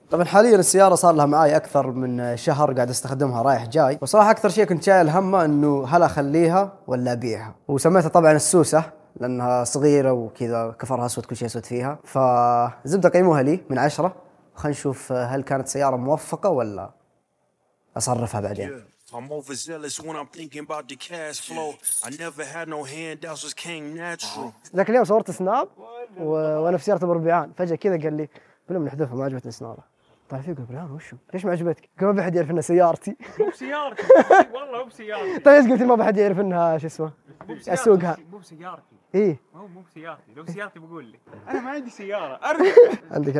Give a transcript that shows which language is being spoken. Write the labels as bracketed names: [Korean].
[Arabic] طبعا حاليا السياره صار لها معي اكثر من شهر قاعد استخدمها رايح جاي، وصراحه اكثر شيء كنت شايل همه انه هل اخليها ولا ابيعها، وسميتها طبعا السوسه لانها صغيره وكذا كفرها اسود كل شيء اسود فيها، فزبده قيموها لي من 10 خلينا نشوف هل كانت سياره موفقه ولا أصرفها بعدين. [English] I'm overzealous when I'm thinking about the cash flow. I never had no handouts, just came natural. [Arabic] ذاك اليوم صورت سناب وأنا في سيارة بربيعان فجأة كذا قال لي فيلم نحذفه ما عجبتني سنابه. طالع فيه قال بريان وشو؟ ليش ما عجبتك؟ قال ما بحد يعرف إنها سيارتي. مو بسيارتي والله مو بسيارتي. طيب إيش قلت ما بحد يعرف إنها شو اسمه؟ أسوقها. مو بسيارتي. إيه. مو بسيارتي لو سيارتي بقول لي أنا ما عندي سيارة أرجع.